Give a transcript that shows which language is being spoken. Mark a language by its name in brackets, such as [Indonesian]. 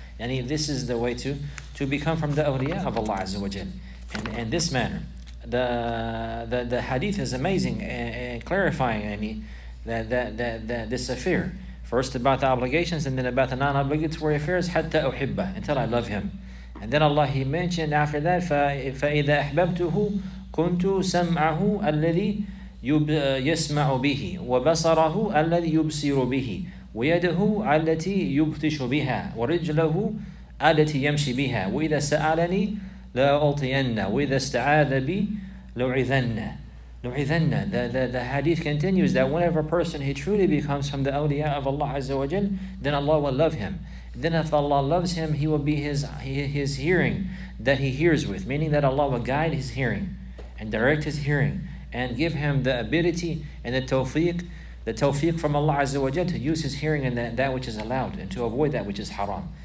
[English] And this is the way to become from the awliya of Allah Azza wa Jal. And in this manner, the hadith is amazing and clarifying that this affair. First about the obligations, and then about the non-obligatory affairs, [Arabic] حَتَّى أُحِبَّهُ, [English] until I love him. And then Allah, He mentioned after that, [Arabic] فَإِذَا أَحْبَبْتُهُ كُنْتُ سَمْعَهُ الَّذِي يَسْمَعُ بِهِ وَبَصَرَهُ الَّذِي يُبْصِرُ بِهِ وَيَدَهُ الَّتِي يُبْطِشُ بِهَا وَرِجْلَهُ الَّتِي يَمْشِي بِهَا وَإِذَا سَأَلَنِي لَأُعْطِيَنَّ وَإِذَا اسْتَعَاذَ بِي لَأُعِذَنَّ. [English] The hadith continues that whenever a person, he truly becomes from the awliya of Allah Azza wa Jal, then Allah will love him. Then if Allah loves him, he will be his hearing that he hears with, meaning that Allah will guide his hearing and direct his hearing and give him the ability and the tawfiq from Allah Azza wa Jal to use his hearing in that which is allowed and to avoid that which is haram.